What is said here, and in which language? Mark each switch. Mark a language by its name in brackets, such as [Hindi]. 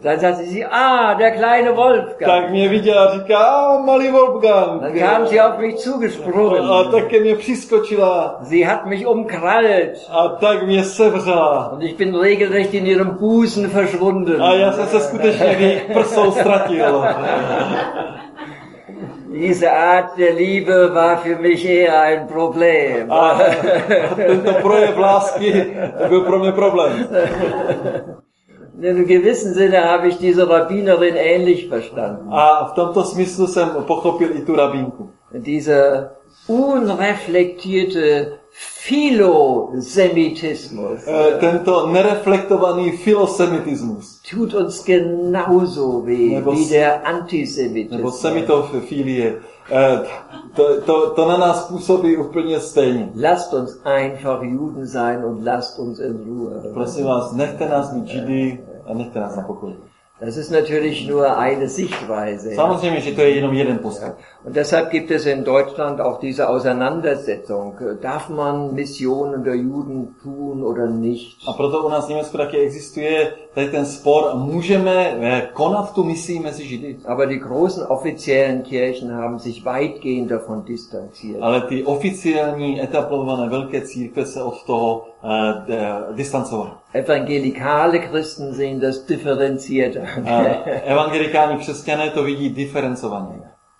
[German] Dann sagte sie, der kleine Wolfgang. [Czech] Tak mě viděla, říká, malý Wolfgang. [German] Dann kam sie auf mich zugesprungen. [Czech] A tak ke mě přiskočila. [German] Sie hat mich umkrallt. [Czech] A tak mě sevřela. [German] Und ich bin regelrecht in ihrem Busen verschwunden. [Czech] A já jsem se skutečně v jejich prsou ztratil. [German] Diese Art der Liebe war für mich eher ein Problem. [Czech] Tento projev lásky byl pro mě problém. [German] In gewissem Sinne habe ich diese Rabbinerin ähnlich verstanden. [Czech] A v tomto smyslu jsem pochopil i tu rabínku. [German] Diese unreflektierte Philosemitismus. [Czech] Tento nereflektovaný filosemitismus. [German] Tut uns genauso weh wie der Antisemitismus. [Czech] Nebo semitofilie. To na nás působí úplně stejně. [German] Lasst uns einfach Juden sein und lasst uns in Ruhe. [Czech] Prosím vás, nechte nás mít Židy a nechte nás na pokoji. [German] Das ist natürlich nur eine Sichtweise. [Czech] Samozřejmě, že to je jenom jeden postup. [German] Und deshalb gibt es in Deutschland auch diese Auseinandersetzung. Darf man Missionen der Juden tun oder nicht? [Czech] A proto u nás v Německu taky existuje tady ten spor, můžeme konat tu misi mezi Židy. [German] Aber die großen offiziellen Kirchen haben sich weitgehend davon distanziert. [Czech] Ale ty oficiální etablované velké církve se od toho distancovaly. [German] Evangelikale Christen sehen das differenzierter. [Czech] Evangelikální křesťané to vidí diferencovaně.